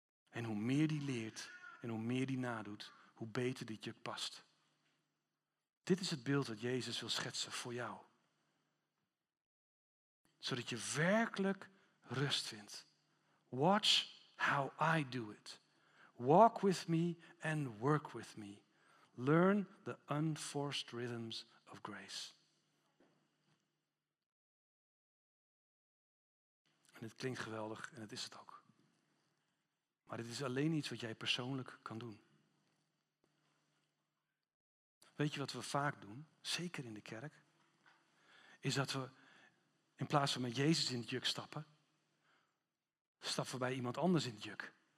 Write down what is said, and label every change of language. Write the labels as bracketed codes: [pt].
[nl] En hoe meer die leert en hoe meer die nadoet, hoe beter dit juk past. Dit is het beeld dat Jezus wil schetsen voor jou. Zodat je werkelijk rust vindt. [en] Watch how I do it. Walk with me and work with me. Learn the unforced rhythms of grace. [nl] En het klinkt geweldig en het is het ook. Maar het is alleen iets wat jij persoonlijk kan doen. Weet je wat we vaak doen, zeker in de kerk? Is dat we in plaats van met Jezus in het juk stappen, stappen we bij iemand anders in het juk.